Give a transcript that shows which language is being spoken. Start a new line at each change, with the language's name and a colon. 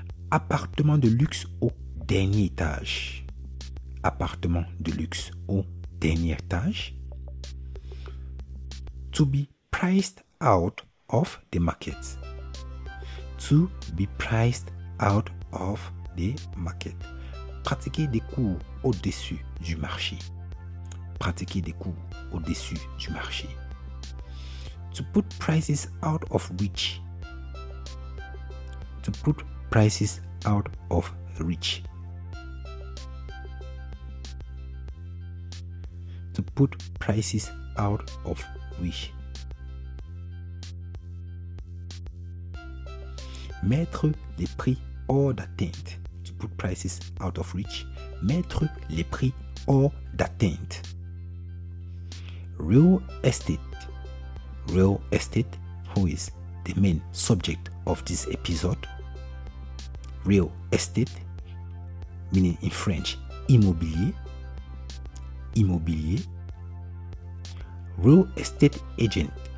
French: Appartement de luxe au dernier étage. Appartement de luxe au dernier étage.
English: To be priced out of the market. To be priced out of the market.
French: Pratiquer des coûts au-dessus du marché. Pratiquer des coûts au-dessus du marché.
English: To put prices out of reach. To put prices out of reach. To put prices out of reach.
French: Mettre les prix hors d'atteinte.
English: To put prices out of reach.
French: Mettre les prix hors d'atteinte.
English: Real estate. Real estate, who is the main subject of this episode? Real estate, meaning in French, immobilier. Immobilier. Real estate agent.